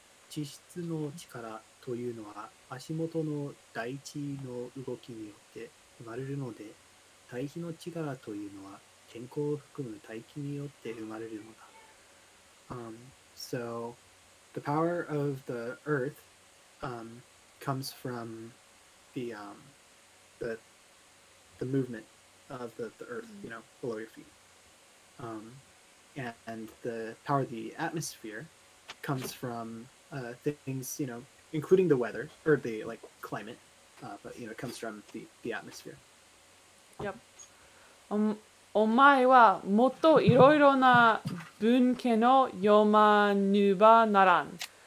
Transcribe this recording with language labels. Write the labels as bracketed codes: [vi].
[ja] 地質の力というのは足元の大地の動きによって生まれるので、大地の力というのは天候を含む大気によって生まれるのだ。 [en] So the power of the earth comes from the movement of the earth, you know, below your feet. And the power of the atmosphere comes from things, you know, including the weather or the, like, climate, but, you know, it comes from the atmosphere. Yep. [ja] お前はもっといろいろな文献を読まぬばならん。